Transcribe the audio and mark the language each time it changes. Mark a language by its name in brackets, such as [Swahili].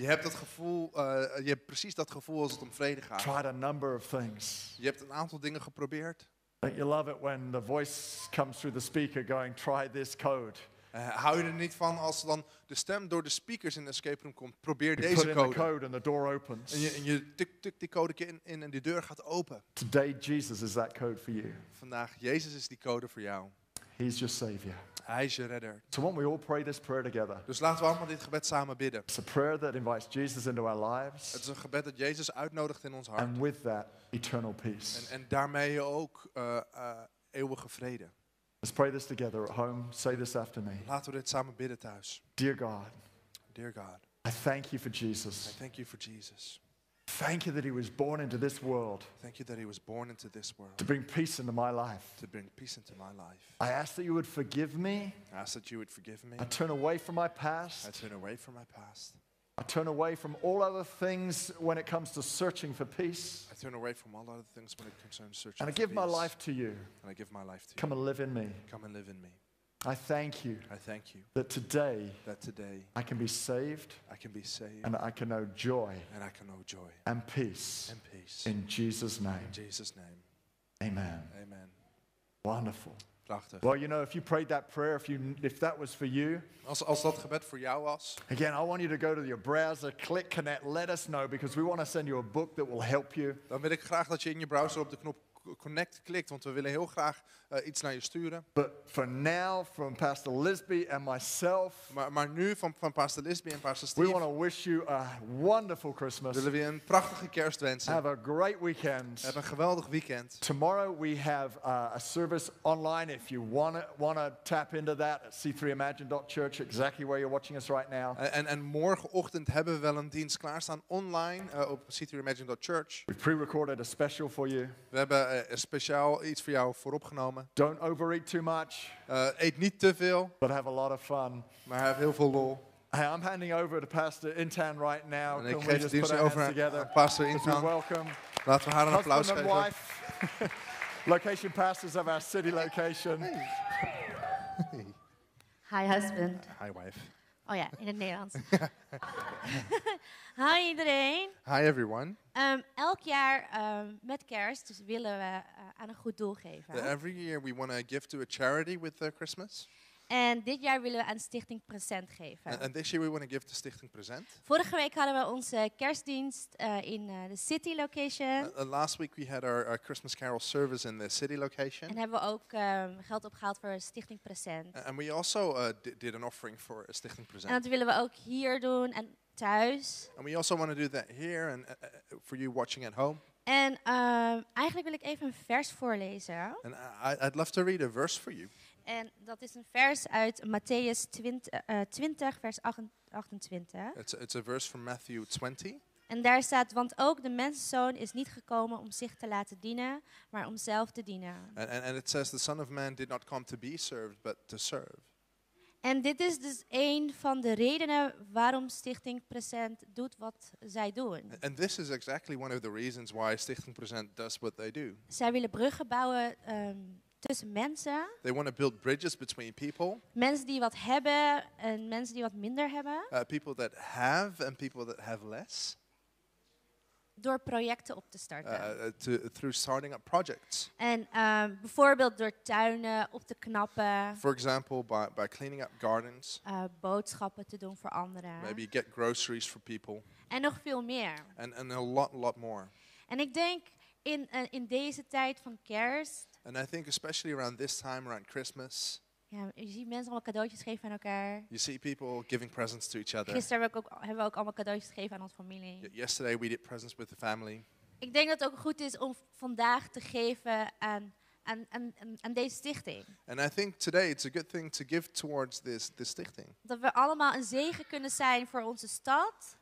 [Dutch] Je hebt dat gevoel, je hebt precies dat gevoel als het om vrede gaat. [English] Tried a number of things. [Dutch] Je hebt een aantal dingen geprobeerd. [English] You love it when the voice comes through the speaker going, try this code. [Dutch] Hou je er niet van als dan de stem door de speakers in de escape room komt? Probeer [English] you [Dutch] deze [English] code. The code and the door opens. [Dutch] En je tik die code in en de deur gaat open. [English] Today Jesus is that code for you. [Dutch] Vandaag Jezus is die code voor jou. [English] He's your savior. [Dutch] Hij is je redder. [English] So won't we all pray this prayer together? [Dutch] Dus laten we allemaal dit gebed samen bidden. [English] It's a prayer that invites Jesus into our lives. [Dutch] Het is een gebed dat Jezus uitnodigt in ons hart. [English] And with that, eternal peace. [Dutch] En daarmee ook eeuwige vrede. [English] Let's pray this together at home. Say this after me. [Dutch] Laten we dit samen bidden thuis. [English] Dear God. I thank you for Jesus. I thank you for Jesus. Thank you that he was born into this world. Thank you that he was born into this world. To bring peace into my life. To bring peace into my life. I ask that you would forgive me. I ask that you would forgive me. I turn away from my past. I turn away from my past. I turn away from all other things when it comes to searching for peace. I turn away from all other things when it concerns searching for peace. And I give my life to you. And I give my life to you. Come and live in me. Come and live in me. I thank you. I thank you. That today. I can be saved. I can be saved. And I can know joy. And I can know joy. And peace. And peace. In Jesus' name. In Jesus' name. Amen. Amen. Wonderful. [Dutch] Prachtig. [English] Well, you know, if you prayed that prayer, if that was for you, [Dutch] als dat gebed voor jou was. [English] Again, I want you to go to your browser, click connect, let us know because we want to send you a book that will help you. [Dutch] Dan wil ik graag dat je in je browser op de knop connect klikt, want we willen heel graag iets naar je sturen. [English] But for now, from Pastor Lisby and myself, [Dutch] maar nu van Pastor Lisby en Pastor Steve, [English] we want to wish you a wonderful Christmas. [Dutch] Willen we een prachtige kerst wensen. [English] Have a great weekend. [Dutch] Heb een geweldig weekend. [English] Tomorrow we have a service online. If you want to tap into that, at c3imagine.church, exactly where you're watching us right now. [Dutch] En morgenochtend hebben we wel een dienst klaarstaan online op c3imagine.church. [English] We've pre-recorded a special for you. [Dutch] We hebben speciaal iets voor jou vooropgenomen. [English] Don't overeat too much. [Dutch] Eet niet te veel. [English] But have a lot of fun. [Dutch] Maar heb heel veel lol. [English] Hey, I'm handing over to Pastor Intan right now. [Dutch] En ik geef de dienst over aan Pastor Intan. [English] Welcome. [Dutch] Laten we haar een applaus geven. [English] Husband and wife. Location pastors of our city location. Hey. Hi husband. Hi wife. [Dutch] Oh ja, yeah, in het Nederlands. Hi iedereen. [English] Hi everyone. [Dutch] Elk jaar met kerst dus willen we aan een goed doel geven. [English] Every year we want to give to a charity with Christmas. [Dutch] En dit jaar willen we aan Stichting Present geven. [English] And this year we want to give to Stichting Present. [Dutch] Vorige week hadden we onze kerstdienst in de city location. [English] Last week we had our Christmas carol service in the city location. [Dutch] En hebben we ook geld opgehaald voor Stichting Present. [English] And we also did an offering for Stichting Present. [Dutch] En dat willen we ook hier doen en thuis. [English] And we also want to do that here and for you watching at home. [Dutch] En eigenlijk wil ik even een vers voorlezen. [English] And I'd love to read a verse for you. [Dutch] En dat is een vers uit Matteüs 20, vers 28. [English] It's a verse from Matthew 20. [Dutch] En daar staat, want ook de mensenzoon is niet gekomen om zich te laten dienen, maar om zelf te dienen. [English] And it says, the son of man did not come to be served, but to serve. [Dutch] En dit is dus een van de redenen waarom Stichting Present doet wat zij doen. [English] And this is exactly one of the reasons why Stichting Present does what they do. [Dutch] Zij willen bruggen bouwen tussen mensen. [English] They want to build bridges between people. [Dutch] Mensen die wat hebben en mensen die wat minder hebben. [English] People that have and people that have less. [Dutch] Door projecten op te starten. [English] Through starting up projects. [Dutch] En bijvoorbeeld door tuinen op te knappen. [English] For example, by cleaning up gardens. [Dutch] Boodschappen te doen voor anderen. [English] Maybe get groceries for people. [Dutch] En nog veel meer. [English] And a lot more. [Dutch] En ik denk in deze tijd van kerst. [English] And I think especially around this time, around Christmas. [Dutch] Ja, je ziet mensen allemaal cadeautjes geven aan elkaar. [English] You see people giving presents to each other. [Dutch] Gisteren hebben we ook allemaal cadeautjes gegeven aan onze familie. [English] Yesterday we did presents with the family. [Dutch] Ik denk dat het ook goed is om vandaag te geven aan deze stichting. [English] And I think today it's a good thing to give towards this stichting. [Dutch] Dat we allemaal een zegen kunnen zijn voor onze stad.